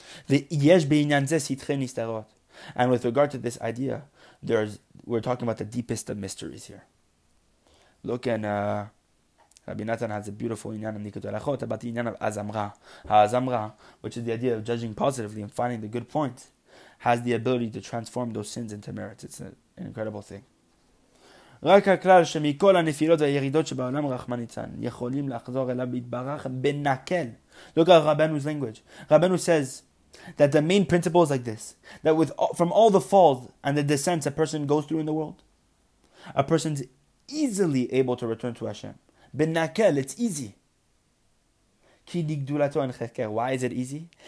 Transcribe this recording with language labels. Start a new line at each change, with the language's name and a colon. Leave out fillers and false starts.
English: And with regard to this idea, we're talking about the deepest of mysteries here. Look, and Rabbi Natan has a beautiful inyan in Nikut Alachot about the inyan of Azamra. Azamra, which is the idea of judging positively and finding the good points, has the ability to transform those sins into merits. It's an incredible thing.
Hebrew: רק הכלל שמכל הנפילות והירידות שבעולם רחמן יצן יכולים לחזור אליו בהתברך בנקל.
English: Look at Rabbeinu's language. Rabbeinu says that the main principle is like this, that with all, from all the falls and the descents a person goes through in the world, a person's easily able to return to Hashem. בנקל, it's easy.
Hebrew: כי דגדולתו אין חקר.
English: Why is it easy?